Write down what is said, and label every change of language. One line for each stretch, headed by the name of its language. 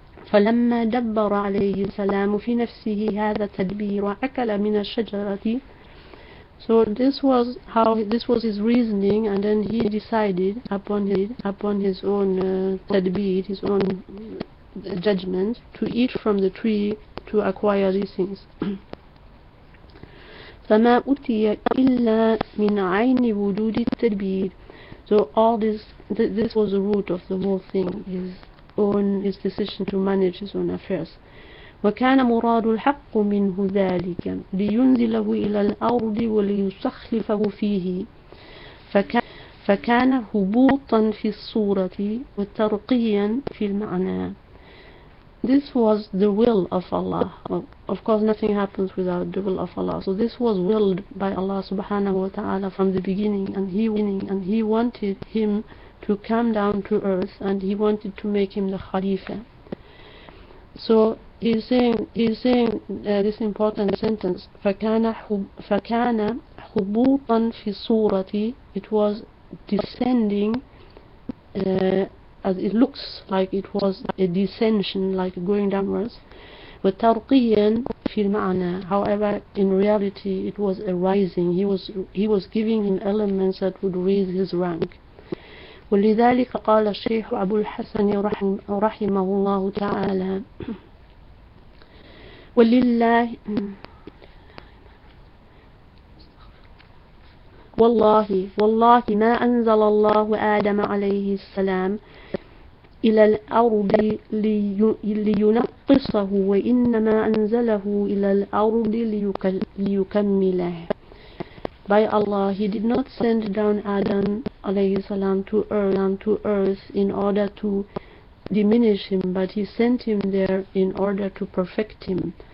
Arabic: فَلَمَّا دَبَّرَ عَلَيْهِ السَّلَامُ فِي نَفْسِهِ هَذَا تَدْبِيرُ وَأَكَلَ مِنَ الشَّجَرَةِ.
English: So this was how, this was his reasoning, and then he decided upon his own tadbir, his own judgment, to eat from the tree to acquire these things.
Arabic: فما أتي إلا من عين وجود التدبير.
English: So all this, this was the root of the whole thing, his own, his decision to manage his own affairs.
Arabic: وكان مراد الحق منه ذلك لينزله إلى الأرض وليسخلفه فيه فكان هبوطا في الصورة وترقيا في المعنى.
English: This was the will of Allah. Of course, nothing happens without the will of Allah. So this was willed by Allah subhanahu wa ta'ala from the beginning, and he wanted him to come down to earth, and he wanted to make him the Khalifa. So he's saying this important sentence,
Arabic: فَكَانَ حُبُوطًا فِي صُورَتِ.
English: It was descending, as it looks like it was a descension, like going downwards.
Arabic: وَتَرْقِيًا فِي الْمَعْنَى.
English: However, in reality, it was a rising. He was giving him elements that would raise his rank.
Arabic: وَلِذَلِكَ قَالَ الشَّيْخُ أَبُو الْحَسَنِ رَحِمَهُ اللَّهُ تَعَالَى ولله والله والله ما أنزل الله آدم عليه السلام إلى الأرض لينقصه وإنما أنزله إلى الأرض ليكمله.
English: By Allah, he did not send down Adam عليه السلام to earth in order to diminish him, but he sent him there in order to perfect him.